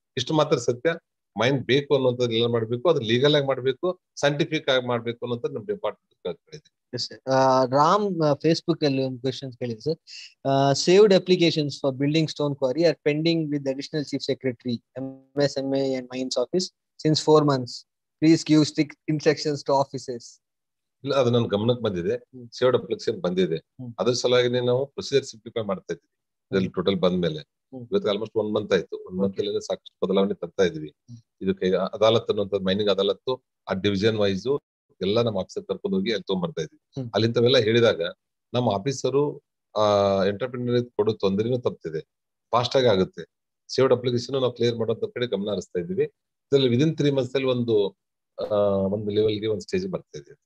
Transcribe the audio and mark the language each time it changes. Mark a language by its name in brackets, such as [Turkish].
[Kannada] ಇಷ್ಟು ಮಾತ್ರ ಸತ್ಯ, ಮೈನ್ ಬೇಕು ಅನ್ನೋದನ್ನ ಎಲ್ಲ ಮಾಡ್ಬೇಕು, ಅದು ಲೀಗಲ್ ಆಗಿ ಮಾಡ್ಬೇಕು, ಸೈಂಟಿಫಿಕ್ ಆಗಿ ಮಾಡ್ಬೇಕು ಅನ್ನೋದ್ ನಮ್ಮ ಡಿಪಾರ್ಟ್ಮೆಂಟ್. ರಾಮ್ ಫೇಸ್ಬುಕ್ ಅಲ್ಲಿ ಒಂದು ಕ್ವೆಶನ್ ಕೇಳಿದೆ sir. [English] Saved applications for building stone quarry are pending with additional chief secretary MSMA and mines office since 4 months. please give strict instructions to officers. [Kannada] ಇಲ್ಲ ಅದು ನನ್ನ ಗಮನಕ್ಕೆ ಬಂದಿದೆ ಸೇವ್ಡ್ ಅಪ್ಲಿಕೇಶನ್ ಬಂದಿದೆ ಅದ್ರ ಸಲುವಾಗಿನೇ ನಾವು ಪ್ರೊಸೀಜರ್ ಸಿಂಪ್ಲಿಫೈ ಮಾಡ್ತಾ ಇದ್ವಿ ಇದ್ರಲ್ಲಿ ಟೋಟಲ್ ಬಂದ ಮೇಲೆ ಇವತ್ತು ಆಲ್ಮೋಸ್ಟ್ 1 ಮಂತ್ ಆಯ್ತು 1 ಮಂತ್ ಅಲ್ಲಿ ಸಾಕಷ್ಟು ಬದಲಾವಣೆ ತರ್ತಾ ಇದ್ವಿ ಇದಕ್ಕೆ ಅದಾಲತ್ ಅನ್ನೋಂಥ ಮೈನಿಂಗ್ ಅದಾಲತ್ತು ಆ ಡಿವಿಜನ್ ವೈಸ್ ಎಲ್ಲ ನಮ್ಮ ಆಫೀಸರ್ ಕರ್ಕೊಂಡು ಹೋಗಿ ಅಲ್ಲಿ ತೊಗೊಂಡ್ಬರ್ತಾ ಇದ್ವಿ ಅಲ್ಲಿಂತವೆಲ್ಲ ಹೇಳಿದಾಗ ನಮ್ಮ ಆಫೀಸರು ಎಂಟರ್ಪ್ರಿನರ್ ಕೊಡೋ ತೊಂದರೆನೂ ತಪ್ಪಿದೆ ಫಾಸ್ಟ್ ಆಗಿ ಆಗುತ್ತೆ ಸೇವ್ಡ್ ಅಪ್ಲಿಕೇಶನ್ ನಾವು ಕ್ಲಿಯರ್ ಮಾಡೋಂಥ ಕಡೆ ಗಮನ ಹರಿಸ್ತಾ ಇದ್ವಿ ಇದರಲ್ಲಿ [English] within 3 months [Kannada] ಅಲ್ಲಿ ಒಂದು ಒಂದು ಲೆವೆಲ್ ಗೆ ಒಂದು ಸ್ಟೇಜ್ ಬರ್ತಾ ಇದೆ